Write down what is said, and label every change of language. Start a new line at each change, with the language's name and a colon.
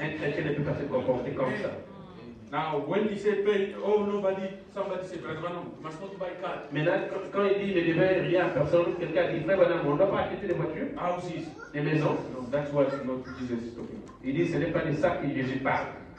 French: Un chrétien ne peut pas se comporter comme ça.
English: Now, when he said, pay, oh, nobody, somebody said, Frère Branham, you must not buy car.
French: Maintenant, quand il dit, ne devait rien à personne, quelqu'un dit, Frère Branham, on ne doit pas acheter des voitures.
English: Houses.
French: Des maisons.
English: No, that's what not Jesus is talking.
French: Il dit, ce n'est pas de ça que Jésus parle.